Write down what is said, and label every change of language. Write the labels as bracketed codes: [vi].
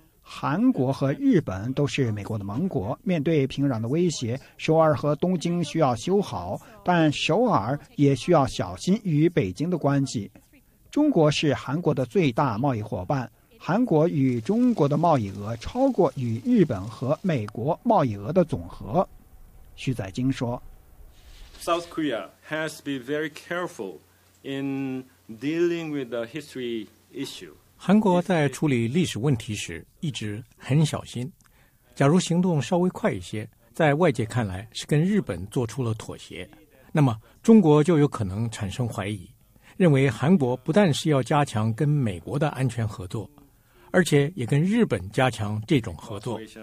[zh] 韩国和日本都是美国的盟国，面对平壤的威胁，首尔和东京需要修好，但首尔也需要小心与北京的关系。中国是韩国的最大贸易伙伴，韩国与中国的贸易额超过与日本和美国贸易额的总和。徐载京说， [en] South Korea has to be very careful in dealing with the history issue. [zh] 韩国在处理历史问题时一直很小心，假如行动稍微快一些，在外界看来是跟日本做出了妥协，那么中国就有可能产生怀疑，认为韩国不但是要加强跟美国的安全合作，而且也跟日本加强这种合作。